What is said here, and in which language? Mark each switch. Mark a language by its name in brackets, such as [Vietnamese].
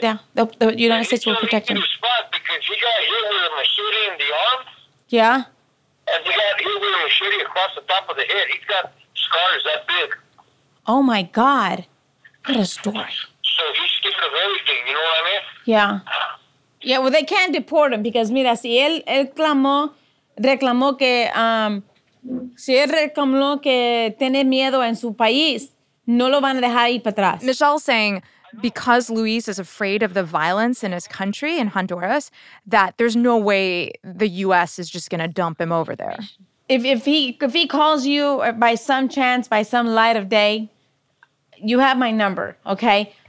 [English] The United States will protect him. He's in a spot because he got hit with a machete in the arm. Yeah. And he got hit with a machete across the top of the head. He's got scars that big. Oh, my God. What a story. So he's scared of everything. You know what I mean? Yeah. Yeah, well, they can't deport him because, [Spanish] mira, si él, él clamó, reclamó que, si él reclamó que tiene miedo en su país, no lo van a dejar ir para atrás. [English] Michelle's saying because Luis is afraid of the violence in his country, in Honduras, that there's no way the U.S. is just going to dump him over there. If he calls you by some chance, by some light of day, you have my number, okay?